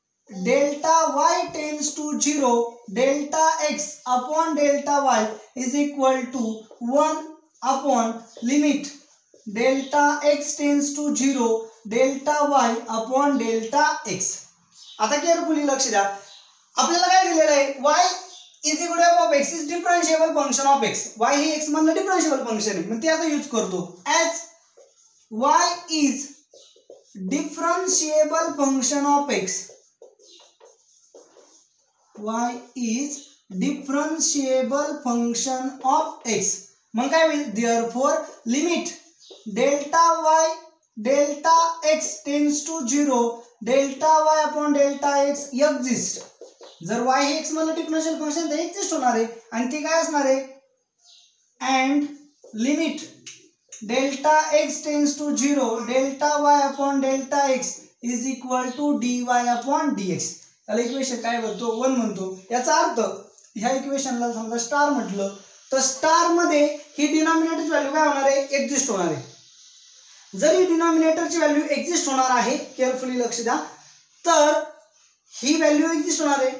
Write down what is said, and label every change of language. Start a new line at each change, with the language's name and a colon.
English: Delta y tends to zero delta x upon delta y is equal to one upon limit delta x tends to zero delta y upon delta x.
Marathi: आता carefully लक्ष द्या, आपल्याला काय दिलेलं आहे,
English: y is equal to of x
Marathi: is differentiable function of x, Y हे x मधलं differentiable function आहे, मग ते आता युज करतो, age
English: y is differentiable function of x. y is differentiable function of x.
Marathi: मग काय होईल,
English: therefore limit delta y delta x tends to 0 delta y upon delta x exist.
Marathi: जर y हे x म्हणलं डिफरेंशियल फंक्शन तर exist होणार आहे, आणि ते काय असणार आहे,
English: and limit delta x tends to 0 delta y upon delta x is equal to dy upon dx.
Marathi: त्याला इक्वेशन काय म्हणतो, 1 म्हणतो. याचा अर्थ ह्या इक्वेशनला समजा स्टार म्हटलं तर स्टार मध्ये ही डिनॉमिनेटर ची व्हॅल्यू काय होणार आहे, एक्झिस्ट होणार आहे. जर ही डिनॉमिनेटर ची व्हॅल्यू एक्झिस्ट होणार आहे, केअरफुली लक्ष द्या, तर ही व्हॅल्यू एक्झिस्ट होणार आहे.